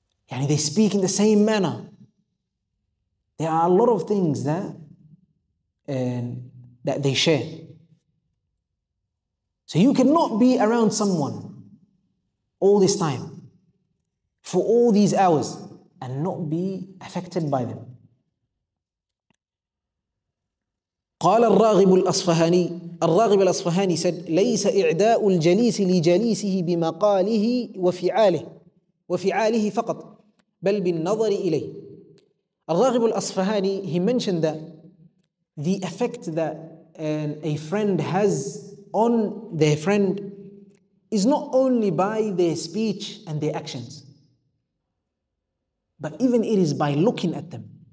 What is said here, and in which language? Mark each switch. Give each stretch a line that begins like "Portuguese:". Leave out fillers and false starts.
English: And they speak in the same manner. There are a lot of things that they share. So you cannot be around someone all this time, for all these hours, and not be affected by them.
Arabic: قال الراغب الأصفهاني. الراغب الأصفهاني said, ليس إعداء الجليس لجليسه بمقاله وفعاله فقط بل بالنظر إليه.
English: الراغب الأصفهاني, he mentioned that the effect that a friend has on their friend is not only by their speech and their actions, but even it is by looking at them.